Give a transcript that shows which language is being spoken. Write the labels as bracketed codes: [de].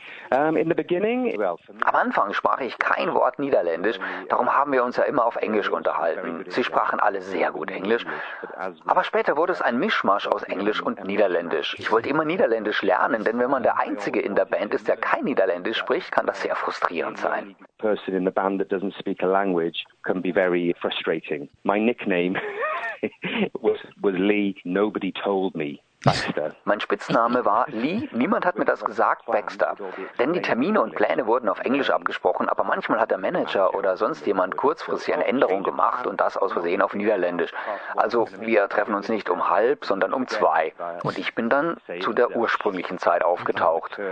[de] Am Anfang sprach ich kein Wort Niederländisch, darum haben wir uns ja immer auf Englisch unterhalten. Sie sprachen alle sehr gut Englisch. Aber später wurde es ein Mischmasch aus Englisch und Niederländisch. Ich wollte immer Niederländisch lernen, denn wenn man der Einzige in der Band ist, der kein Niederländisch spricht, kann das sehr frustrierend sein. [en] Person in the band that doesn't speak a language can be very frustrating. My nickname was Lee. Nobody told me. [de] Mein Spitzname war Lee, niemand hat mir das gesagt, Baxter. Denn die Termine und Pläne wurden auf Englisch abgesprochen, aber manchmal hat der Manager oder sonst jemand kurzfristig eine Änderung gemacht und das aus Versehen auf Niederländisch. Also wir treffen uns nicht um halb, sondern um zwei. Und ich bin dann zu der ursprünglichen Zeit aufgetaucht.